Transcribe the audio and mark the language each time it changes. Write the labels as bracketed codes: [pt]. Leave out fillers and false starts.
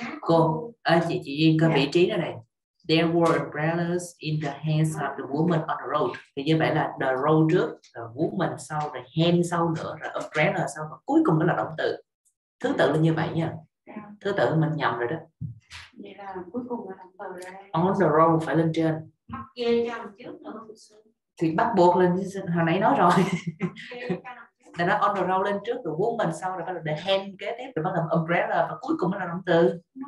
[vi] Cô, chị Duyên có vị trí đó này. [en] There were umbrellas in the hands of the woman on the road. [vi] Thì như vậy là [en] the road [vi] trước, [en] the woman [vi] sau, [en] the hand [vi] sau nữa, rồi umbrella sau, và cuối cùng đó là động từ. Thứ tự là như vậy nha. Thứ tự mình nhầm rồi đó. Vậy là cuối cùng là động từ rồi. [en] On the road [vi] phải lên trên. Mắc ghê cho trước thì bắt buộc lên, hồi nãy nói rồi. Là nó [en] on the road [vi] lên trước, [en] the woman [vi] sau, rồi bắt đầu [en] the hand [vi] kế tiếp, rồi bắt đầu umbrella, và cuối cùng là động từ.